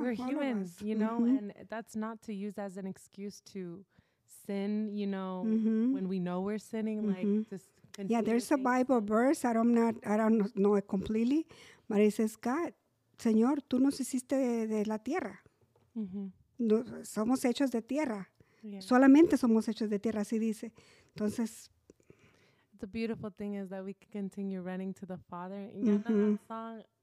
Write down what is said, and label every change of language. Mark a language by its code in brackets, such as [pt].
[en] We're humans, you know, mm-hmm. and that's not to use as an excuse to sin, you know, mm-hmm. when we know we're sinning, mm-hmm. like this. Yeah, there's a Bible verse. I don't know it completely, but it says, God, [es] Señor, tú nos hiciste de la tierra. Mm-hmm. No, somos hechos de tierra. Yeah. Solamente somos hechos de tierra, así dice. Entonces. [en] The beautiful thing is that we can continue running to the Father. You know that song?